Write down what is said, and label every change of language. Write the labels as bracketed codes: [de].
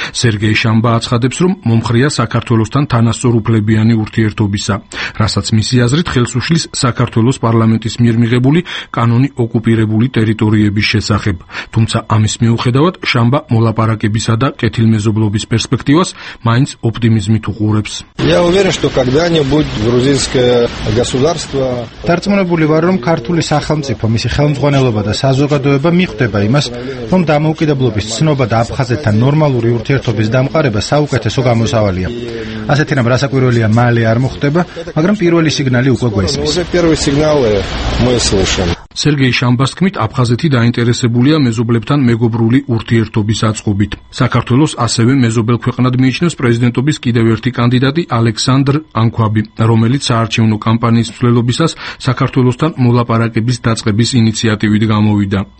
[ka] სერგეი შამბა აცხადებს, რომ მომხრეა საქართველოსთან თანასწორ უფლებიანი ურთიერთობისა, რასაც მისი აზრით ხელსუშლის საქართველოს პარლამენტის მიერ მიღებული კანონი ოკუპირებული ტერიტორიების შესახებ. თუმცა ამის მიუხედავად შამბა მოლაპარაკებისა და კეთილმეზობლობის პერსპექტივას მაინც ოპტიმიზმით უყურებს. [ru] Я уверен, что когда-нибудь грузинское государство [ka] დარწმუნებული ვარ, რომ ქართული სახელმწიფო, მისი ხელმძღვანელობა და საზოგადოება მიხვდება იმას, რომ დამოუკიდებლობის ცნობა და აფხაზეთთან ნორმალური ურთიერთობის დამყარება საუკეთესო გამოსავალია. ასეთი რამ რასაკვირველია, მალე არ მოხდება, მაგრამ პირველი სიგნალი უკვე გვესმის. [ru] Первые сигналы мы слышим. [ka] სერგეი შამბას თქმით, აფხაზეთი დაინტერესებულია მეზობლებთან მეგობრული ურთიერთობის აწყობით. საქართველოს ასევე მეზობელ ქვეყნად მიიჩნევს პრეზიდენტობის კიდევ ერთი კანდიდატი ალექსანდრ ანქვაბი, რომელიც საარჩევნო კამპანიის მსვლელობისას საქართველოსთან მოლაპარაკების დაწყების ინიციატივით გამოვიდა.